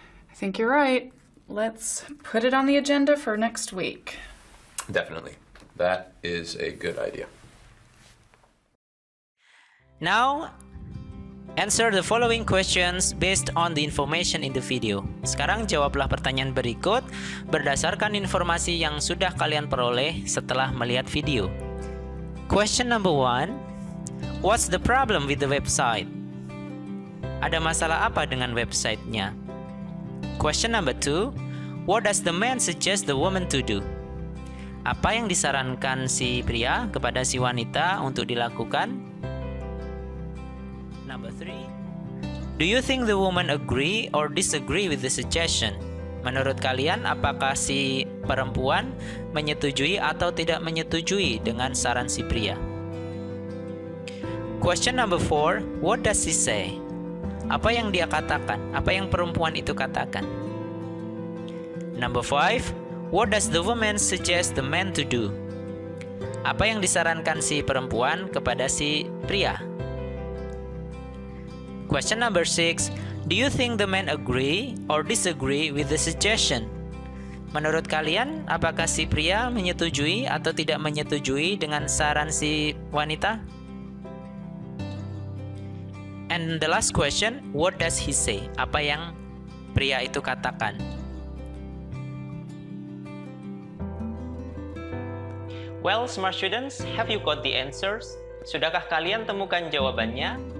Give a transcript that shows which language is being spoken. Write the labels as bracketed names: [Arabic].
[English] I think you're right. Let's put it on the agenda for next week. Definitely. That is a good idea. Now, answer the following questions based on the information in the video. [Indonesian] Sekarang jawablah pertanyaan berikut berdasarkan informasi yang sudah kalian peroleh setelah melihat video. [English] Question number one. What's the problem with the website? [Indonesian] Ada masalah apa dengan websitenya? [English] Question number two. What does the man suggest the woman to do? [Indonesian] Apa yang disarankan si pria kepada si wanita untuk dilakukan? [English] Number three. Do you think the woman agree or disagree with the suggestion? [Indonesian] Menurut kalian, apakah si perempuan menyetujui atau tidak menyetujui dengan saran si pria? [English] Question number four, what does she say? [Indonesian] Apa yang dia katakan? Apa yang perempuan itu katakan? [English] Number five, what does the woman suggest the man to do? [Indonesian] Apa yang disarankan si perempuan kepada si pria? [English] Question number six, do you think the man agree or disagree with the suggestion? [Indonesian] Menurut kalian, apakah si pria menyetujui atau tidak menyetujui dengan saran si wanita? [English] And the last question, what does he say? [Indonesian] Apa yang pria itu katakan? [English] Well, smart students, have you got the answers? [Indonesian] Sudahkah kalian temukan jawabannya?